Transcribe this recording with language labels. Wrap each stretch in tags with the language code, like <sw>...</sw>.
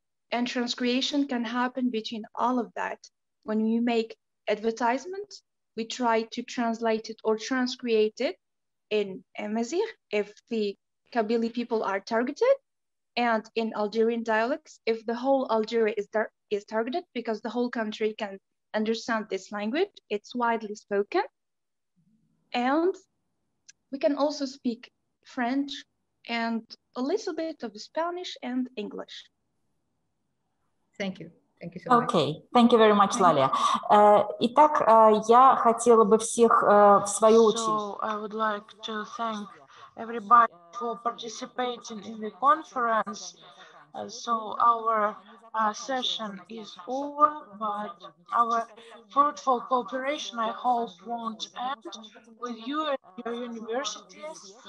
<en>And transcreation can happen between all of that. When we make advertisements, we try to translate it or transcreate it in Amazigh if the Kabylie people are targeted, and in Algerian dialects if the whole Algeria is targeted, because the whole country can understand this language. It's widely spoken. And we can also speak French and a little bit of Spanish and English. Thank you. Thank you so Okay, thank you very much, Lalia.</en> <ru>Итак, я хотела бы всех в свою очередь.</ru> <en>So I would like to thank everybody for participating in the conference. So our session is over, but our fruitful cooperation, I hope, won't end with you and your universities.</en>